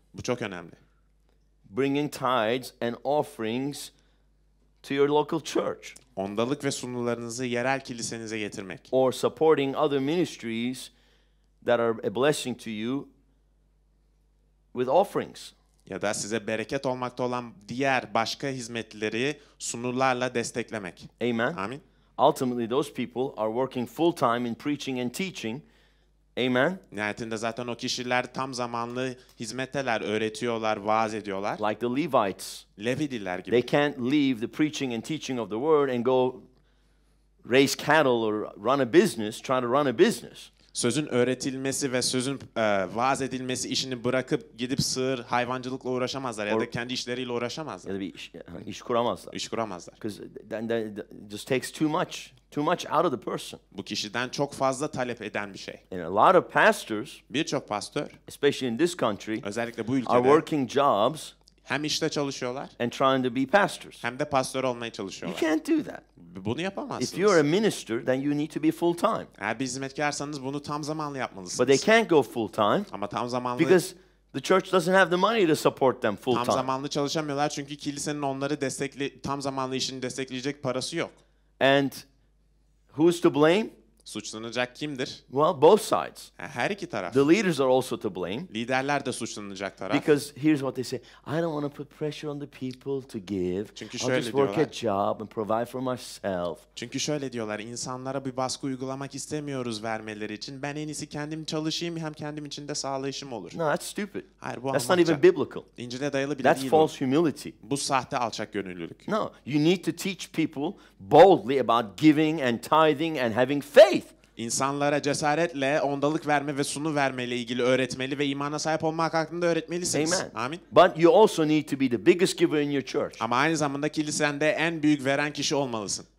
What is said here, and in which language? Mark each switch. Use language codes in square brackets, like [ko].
[tr] Bu çok önemli. [en] Bringing tithes and offerings to your local church. [tr] Ondalık ve sunularınızı yerel kilisenize getirmek. [en] Or supporting other ministries that are a blessing to you with offerings. [tr] Ya da size bereket olmakta olan diğer başka hizmetleri sunularla desteklemek. [en] Amen. [tr] Amin. [en] Ultimately those people are working full time in preaching and teaching. Amen. [tr] Nihayetinde zaten o kişiler tam zamanlı hizmetteler, öğretiyorlar, vaaz ediyorlar. [en] Like the Levites. [tr] Levidiler gibi. [en] They can't leave the preaching and teaching of the word and go raise cattle or run a business. [tr] Sözün öğretilmesi ve sözün vaaz edilmesi işini bırakıp gidip sığır hayvancılıkla uğraşamazlar ya da kendi işleriyle uğraşamazlar. Ya da bir iş kuramazlar. İş kuramazlar. [en] Because then just takes too much out of the person. [tr] Bu kişiden çok fazla talep eden bir şey. [en] And a lot of pastors, [tr] birçok pastör, [en] especially in this country, [tr] özellikle bu ülkede, [en] are working jobs, [tr] hem işte çalışıyorlar, [en] and trying to be pastors, [tr] hem de pastör olmaya çalışıyorlar. [en] You can't do that. [tr] Bunu yapamazsınız. [en] If you're a minister, then you need to be full time. [tr] Eğer bir hizmetkarsanız bunu tam zamanlı yapmalısınız. [en] But they can't go full time. [tr] Ama tam zamanlı. [en] Because the church doesn't have the money to support them full time. [tr] Tam zamanlı çalışamıyorlar çünkü kilisenin onları tam zamanlı işini destekleyecek parası yok. [en] And who's to blame? [tr] Suçlanacak kimdir? [en] Well, both sides. [tr] Her iki taraf. [en] The leaders are also to blame. [tr] Liderler de suçlanacak taraf. [en] Because here's what they say: I don't want to put pressure on the people to give. [tr] Çünkü [en] I'll just work a job and provide for myself. [tr] Çünkü şöyle diyorlar: insanlara bir baskı uygulamak istemiyoruz vermeleri için. Ben en iyisi kendim çalışayım hem kendim için de sağlayışım olur. [en] No, that's stupid. [tr] Hayır, bu [en] that's not even biblical. [tr] İncil'e dayalı bile [en] that's [tr] değil. [en] That's false humility. [tr] Bu sahte alçak gönüllülük. [en] No, you need to teach people boldly about giving and tithing and having faith. [tr] İnsanlara cesaretle ondalık verme ve sunu vermeyle ilgili öğretmeli ve imana sahip olmak hakkında öğretmelisiniz. [en] Amen. [tr] Amin. [en] But you also need to be the biggest giver in your church. [tr] Ama aynı zamanda kilisende en büyük veren kişi olmalısın.